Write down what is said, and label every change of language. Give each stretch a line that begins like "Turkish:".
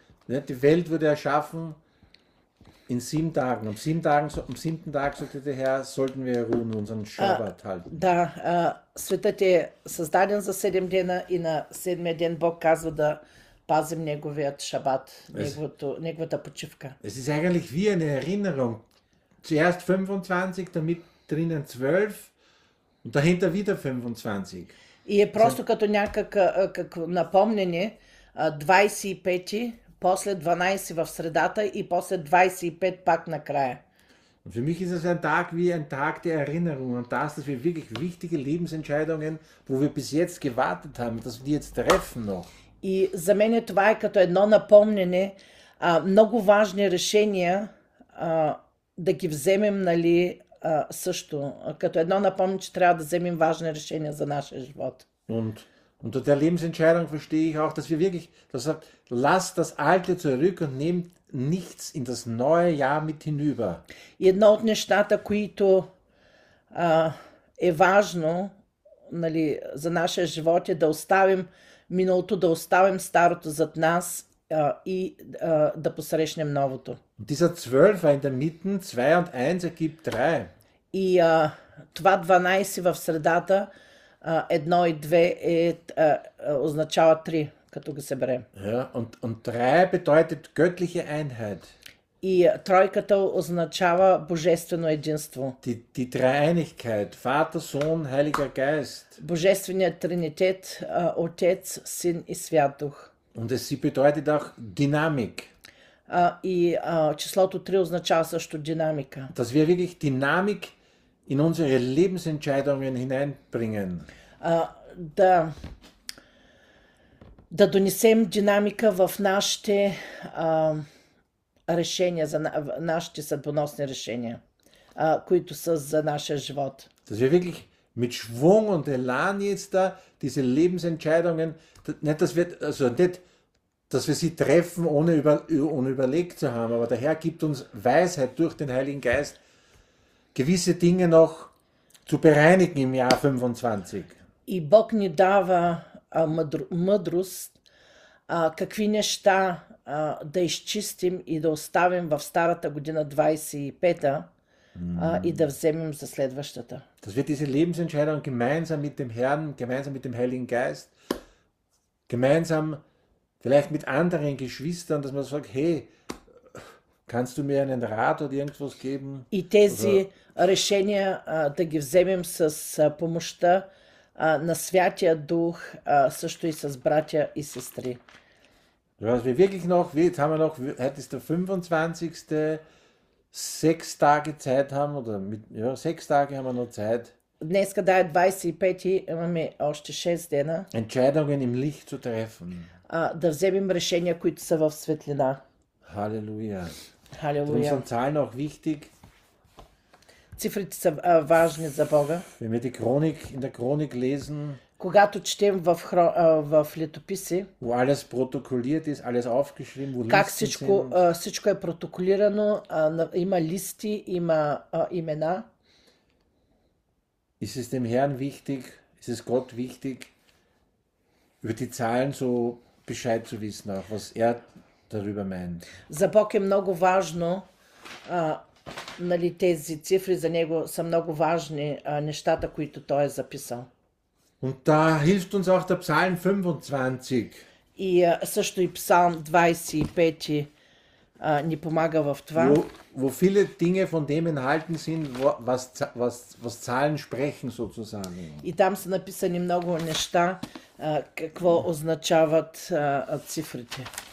German: Die Welt wurde erschaffen in 7 Tagen. Um 7 Tagen, am 7. Tag, sagte der Herr, sollten wir ruhen, unseren Schabbat halten.
Bulgarian: Да, светът е създаден за 7 дена и на 7-я ден Бог казва да пазим неговият шабат, неговата почивка.
German: Es ist eigentlich wie eine Erinnerung. Zuerst 25, damit drinnen 12 und dahinter wieder 25.
Bulgarian: И е просто като някакво напомнение, 25-ти, после 12 в средата и после 25 пак на края.
German: Für mich ist es ein Tag wie ein Tag der Erinnerung und das, dass wir wirklich wichtige Lebensentscheidungen, wo wir bis jetzt gewartet haben, dass wir die jetzt treffen noch.
Bulgarian: И за мен това е като едно напомнене, много важни решения да ги вземем, нали, също, като едно напомнене, че трябва да вземем важни решения за нашия живот.
German: Und unter der Lebensentscheidung verstehe ich auch, dass wir wirklich, das sagt, lasst das Alte zurück und nehmt nichts in das neue Jahr mit hinüber.
Bulgarian: Едно от нещата, които е важно, нали, за нашия живот е да оставим миналото, да оставим старото зад нас и да посрещнем новото.
German: Dieser 12 in der Mitte, 2 und 1 ergibt 3.
Bulgarian: И това 12 в средата, едно и две е, означава 3, като ги съберем.
German: Und 3 bedeutet göttliche Einheit.
Bulgarian: И тройката означава божествено единство.
German: Die Dreieinigkeit, Vater, Sohn, Heiliger Geist.
Bulgarian: Божественият тринитет, Отец, Син и Свят Дух.
German: Und es bedeutet auch Dynamik.
Bulgarian: И числото 3 означава също динамика.
German: Dass wir wirklich Dynamik in unsere Lebensentscheidungen hineinbringen.
Bulgarian: Да донесем динамика в нашите решения, за нашите съдбоносни решения, които са за нашия живот.
German: Dass wir wirklich mit Schwung und Elan jetzt da diese Lebensentscheidungen, nicht, dass wir, also nicht, dass wir sie treffen, ohne überlegt zu haben, aber der Herr gibt uns Weisheit durch den Heiligen Geist, gewisse Dinge noch zu bereinigen im Jahr 25.
Bulgarian: И Бог ни дава мъдрост, какви неща да изчистим и да оставим в старата година 25-та и да вземем за следващата.
German: Dass wir diese Lebensentscheidung gemeinsam mit dem Herrn, gemeinsam mit dem Heiligen Geist, gemeinsam vielleicht mit anderen Geschwistern, dass man sagt, hey, kannst du mir einen Rat oder irgendwas geben?
Bulgarian: И тези решения да ги вземем с помощта на Святия Дух, също и с братя и сестри.
German: Was wir wirklich noch, jetzt haben wir noch, heute ist der 25. 6 Tage Zeit haben, oder mit, ja, 6 Tage haben wir noch Zeit.
Bulgarian: Днеска, да, 25-ти, имаме още 6 дена.
German: Entscheidungen im Licht zu treffen.
Bulgarian: Да вземем решения, които са в светлина.
German: Halleluja. Halleluja. Darum sind Zahlen auch wichtig.
Bulgarian: Цифрите са важни за Бога.
German: Wenn wir die Chronik, in der Chronik lesen,
Bulgarian: Когато четем в летописи,
German: wo alles protokolliert ist, alles aufgeschrieben, wo
Bulgarian: как
German: Listen
Bulgarian: всичко,
German: sind.
Bulgarian: всичко е протоколирано, има листи, има имена.
German: Ist es dem Herrn wichtig, ist es Gott wichtig, über die Zahlen so Bescheid zu wissen, auch was darüber meint?
Bulgarian: За Бог е много важно, нали, тези цифри за него са много важни, нещата, които той е записал.
German: Und da hilft uns auch der Psalm 25.
Bulgarian: И също и Псалм 25 ни помага в това.
German: Wo viele Dinge von dem enthalten sind, was Zahlen sprechen sozusagen.
Bulgarian: И там са написани много неща, какво означават цифрите.